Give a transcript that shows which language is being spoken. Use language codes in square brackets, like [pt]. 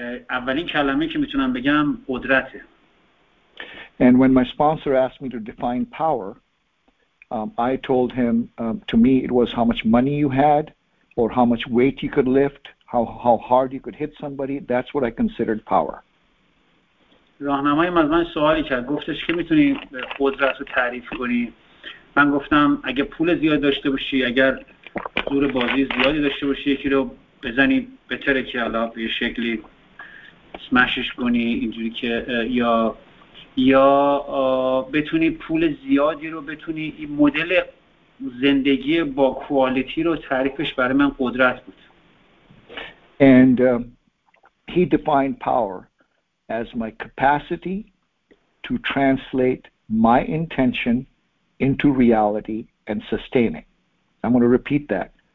[fa] اولین کلمه که میتونم بگم قدرته. [en] And when my sponsor asked me to define power, I told him, to me, it was how much money you had, or how much weight you could lift, how hard you could hit somebody. That's what I considered power. [fa] راهنمایم از من سوالی کرد. گفتش که میتونی قدرت رو تعریف کنی. من گفتم اگه پول زیاد داشته باشی، اگر زور بازی زیادی داشته باشی، یکی رو بزنی بهتره که حالا به یه شکلی سمشش کنی اینجوری که یا بتونی پول زیادی رو بتونی این مدل زندگی با کوالیتی رو تعریفش برای من قدرت بود. [en] And he defined power as my capacity to translate my intention into reality and sustain it. I'm going to repeat that.